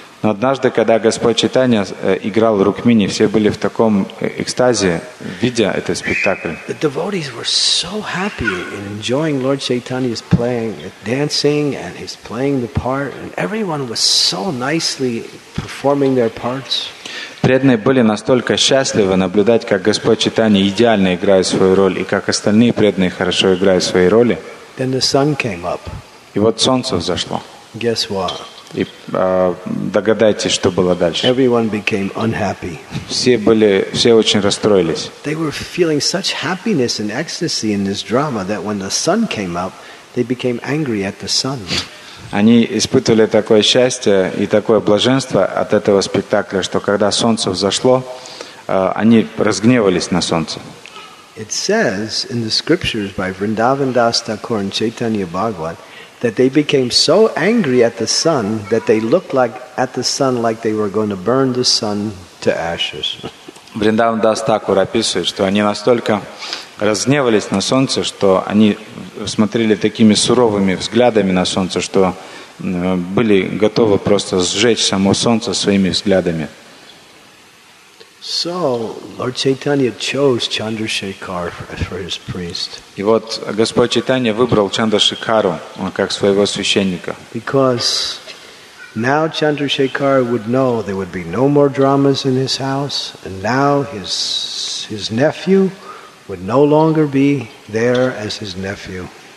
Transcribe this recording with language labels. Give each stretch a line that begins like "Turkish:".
Russian: Но однажды, когда Господь Чайтанья играл Рукмини, все были в таком экстазе, видя этот спектакль.
English: The devotees were so happy in enjoying Lord Chaitanya's playing, dancing, and his playing the part, and everyone was so nicely performing their parts.
Russian: Преданные были настолько счастливы наблюдать, как Господь Чайтанья идеально играет свою роль, и как остальные преданные хорошо играют свои роли.
English: Then the sun came up.
Russian: И вот солнце взошло.
English: Guess what?
Russian: И догадайтесь, что было дальше.
English: Everyone became unhappy.
Russian: Все очень расстроились.
English: They were feeling such happiness and ecstasy in this drama that when the sun came up, they became angry at the sun.
Russian: Они испытывали такое счастье и такое блаженство от этого спектакля, что когда солнце взошло, они разгневались на солнце.
English: It says in the scriptures by Vrindavan Das Thakur and Chaitanya Bhagavat that they became so angry at the sun that they looked like at the sun like they were going to burn the sun to ashes.
Russian: Вриндаван Дас Такур описывает, что они настолько разгневались на солнце, что они смотрели такими суровыми взглядами на солнце, что были готовы просто сжечь само солнце своими взглядами.
English: So Lord Chaitanya chose Chandrasekhar for his priest.
Russian: И вот Господь Чайтанья выбрал Чандрашекару как своего священника.
English: Because now Chandrasekhar would know there would be no more dramas in his house, and now his nephew would no longer be there as his nephew.